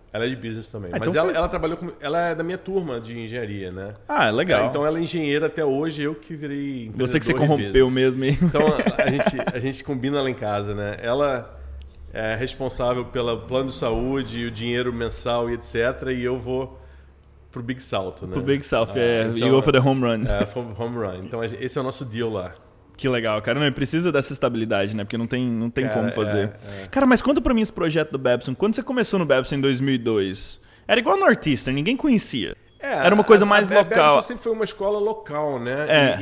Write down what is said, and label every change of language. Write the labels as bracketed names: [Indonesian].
[Portuguese] Ela é de business também. Ah, mas então ela trabalhou com... Ela é da minha turma de engenharia, né? Ah, legal. Então ela é engenheira até hoje, eu que virei empreendedor. Você que se corrompeu mesmo aí. Então a gente combina lá em casa, né? Ela é responsável pelo plano de saúde, o dinheiro mensal e etc. E eu vou pro Big Salto, né? Pro Big Salto, então, [English] you go for the home run. For home run. [Portuguese] Então esse é o nosso deal lá. Que legal, cara. Não, precisa dessa estabilidade, né? Porque não tem como fazer. Cara, mas conta pra mim esse projeto do Babson. Quando você começou no Babson em 2002, era igual a Northeastern, ninguém conhecia. Era uma coisa mais local. A Babson sempre foi uma escola local, né?